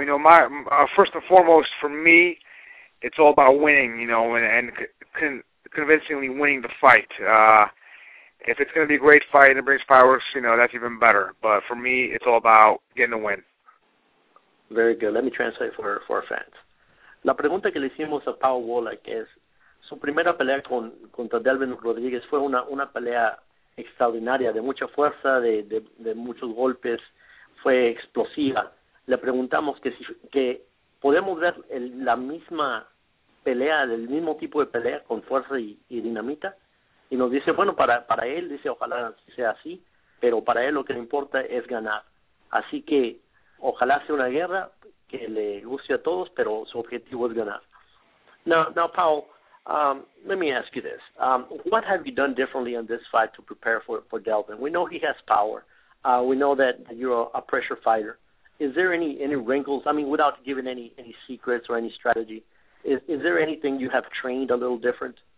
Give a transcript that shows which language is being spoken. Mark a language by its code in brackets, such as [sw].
[en] You know, my first and foremost for me, it's all about winning. You know, convincingly winning the fight. If it's going to be a great fight and it brings fireworks, you know, that's even better. But for me, it's all about getting the win. Very good. Let me translate for our fans. [es] La pregunta que le hicimos a Powell Wolak es: su primera pelea contra Delvin Rodriguez fue una pelea extraordinaria, de mucha fuerza, de muchos golpes, fue explosiva. Le preguntamos que podemos ver la misma pelea, el mismo tipo de pelea con fuerza y dinamita, y nos dice, bueno, para él, dice, ojalá sea así, pero para él lo que le importa es ganar. Así que ojalá sea una guerra que le guste a todos, pero su objetivo es ganar. [en] Now, Powell, let me ask you this. What have you done differently in this fight to prepare for Delvin? We know he has power. We know that you're a pressure fighter. Is there any wrinkles? I mean, without giving any secrets or any strategy, is there anything you have trained a little different?